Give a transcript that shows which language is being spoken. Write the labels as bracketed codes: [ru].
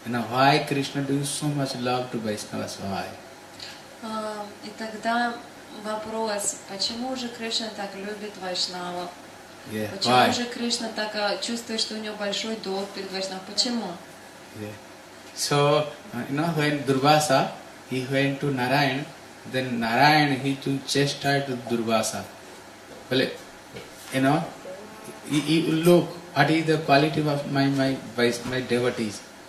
[en] Why Krishna do you so much love to Vaishnavas? Why? [ru] И тогда вопрос, почему же Кришна так любит Вайшнава? [en] Yeah. [ru] Почему [en] Why? [ru] Же Кришна так чувствует, что у него большой долг перед Вайшнавой? Почему? [en] Yeah. So, you know, when Durvasa, he went to Narayan, then Narayan, he to chastise to Durvasa. Well, you know, you look, what is the quality of my devotees?